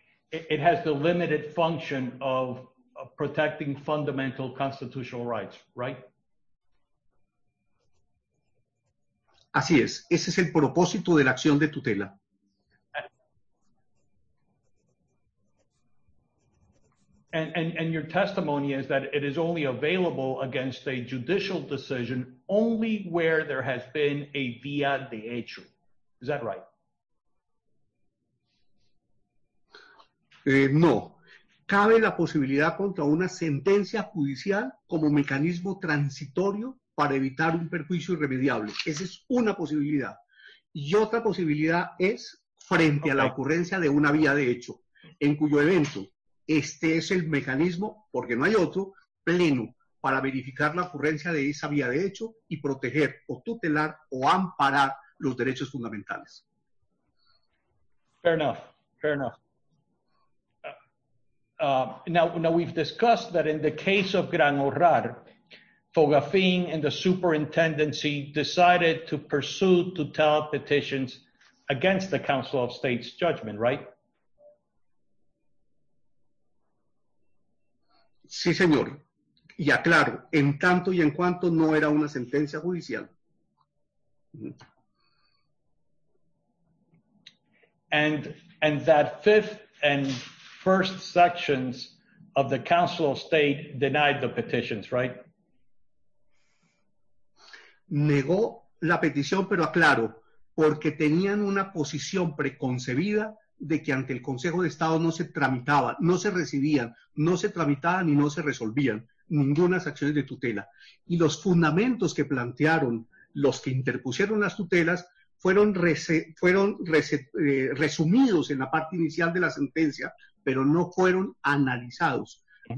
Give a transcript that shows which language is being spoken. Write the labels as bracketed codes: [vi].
[en] It has the limited function of protecting fundamental constitutional rights, right? [es] Así es. Ese es el propósito de la acción de tutela. [en] And your testimony is that it is only available against a judicial decision only where there has been a vía de hecho. Is that right? [es] No. Cabe la posibilidad contra una sentencia judicial como mecanismo transitorio para evitar un perjuicio irremediable. Esa es una posibilidad. Y otra posibilidad es frente a la ocurrencia de una vía de hecho, en cuyo evento este es el mecanismo, porque no hay otro, pleno para verificar la ocurrencia de esa vía de hecho y proteger o tutelar o amparar los derechos fundamentales. [en] Fair enough, fair enough. Now we've discussed that in the case of Gran Horrar, Fogafin and the superintendency decided to pursue tutela petitions against the Council of State's judgment, right? [es] Sí, señor. Y aclaro, en tanto y en cuanto no era una sentencia judicial. [en] And that fifth and first sections of the Council of State denied the petitions, right? [es] Negó la petición, pero aclaro, porque tenían una posición preconcebida de que ante el Consejo de Estado no se tramitaban, no se recibían, no se tramitaban ni no se resolvían ninguna acción de tutela. Y los fundamentos que plantearon los que interpusieron las tutelas fueron resumidos en la parte inicial de la sentencia, pero no fueron analizados. Uh-huh.